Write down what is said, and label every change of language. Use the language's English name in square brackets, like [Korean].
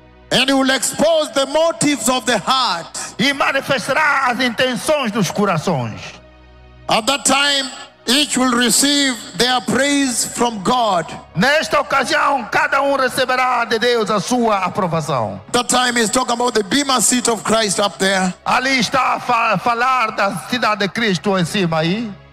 [English] And he will expose the motives of the heart. [Portuguese] E manifestará as intenções dos corações. [English] At that time, each will receive their praise from God. [Portuguese] Nesta ocasião, cada receberá de Deus a sua aprovação. [English] That time is talking about the bema seat of Christ up there. [Portuguese] Ali está a falar da cidade de Cristo em cima aí.